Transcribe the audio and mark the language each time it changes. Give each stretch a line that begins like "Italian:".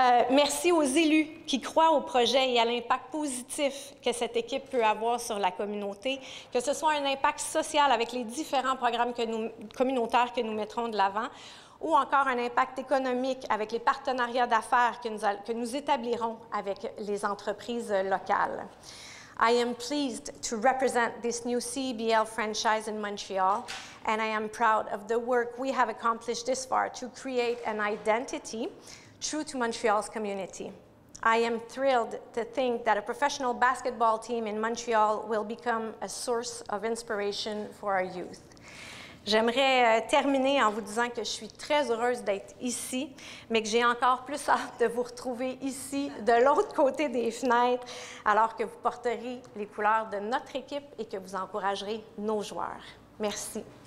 French: Merci aux élus qui croient au projet et à l'impact positif que cette équipe peut avoir sur la communauté, que ce soit un impact social avec les différents programmes communautaires que nous mettrons de l'avant, ou encore un impact économique avec les partenariats d'affaires que nous établirons avec les entreprises locales.
English: I am pleased to represent this new CBL franchise in Montreal, and I am proud of the work we have accomplished this far to create an identity true to Montreal's community. I am thrilled to think that a professional basketball team in Montreal will become a source of inspiration for our youth.
French: J'aimerais terminer en vous disant que je suis très heureuse d'être ici, mais que j'ai encore plus hâte de vous retrouver ici, de l'autre côté des fenêtres, alors que vous porterez les couleurs de notre équipe et que vous encouragerez nos joueurs. Merci.